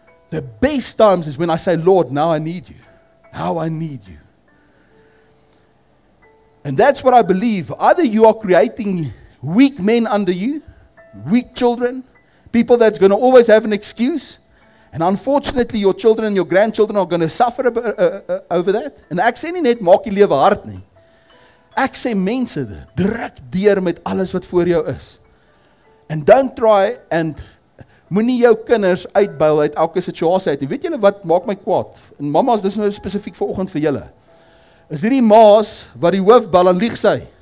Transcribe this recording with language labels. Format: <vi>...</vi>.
<en>The best times is when I say, Lord, now I need you. Now I need you. And that's what I believe. Either you are creating weak men under you, weak children, people that's going to always have an excuse. And unfortunately, your children and your grandchildren are going to suffer over that.</en> <af>And ek sê nie net maak die lewe hard nie. Ek sê mense, druk deur met alles wat voor jou is.</af> <en>And don't try and</en> <af>moenie jou kinders uitbuil uit elke situasie uit. Weet julle wat maak my kwaad? En mamas, dis nou spesifiek vir oggend vir julle. Is hierdie maas wat die hoof bel en lieg sy.</af>